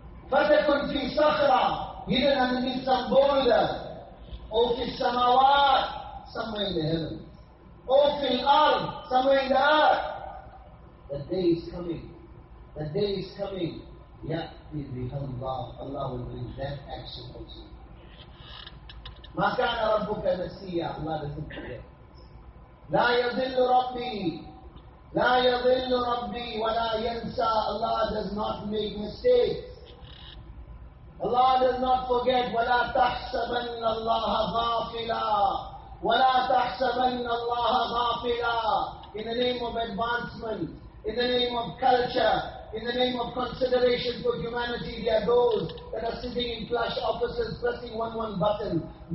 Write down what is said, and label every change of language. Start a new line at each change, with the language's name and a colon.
Arabic: فَتَكُنْ فِي صَخْرًا
English: hidden underneath some boulder, or
Arabic: فِي السَّمَوَاتِ
English: somewhere in the heavens, or
Arabic: فِي الْأَرْضِ
English: somewhere in the earth. The day is coming.
Arabic: يَأْتِي بِهَمْ اللَّهُ
English: Allah will bring that action also.
Arabic: مَا كَانَ رَبُّكَ نَسِيَّا
English: Allah doesn't forget.
Arabic: لَا يَظِلُّ رَبِّي لَا يَظِلُّ رَبِّي وَلَا يَنْسَى
English: Allah does not make mistakes. Allah does not forget.
Arabic: وَلَا تَحْسَبَنَّ اللَّهَ غَافِلًا وَلَا تَحْسَبَنَّ اللَّهَ غَافِلًا
English: In the name of advancement, in the name of culture, in the name of consideration for humanity, there are those that are sitting in plush offices pressing one button.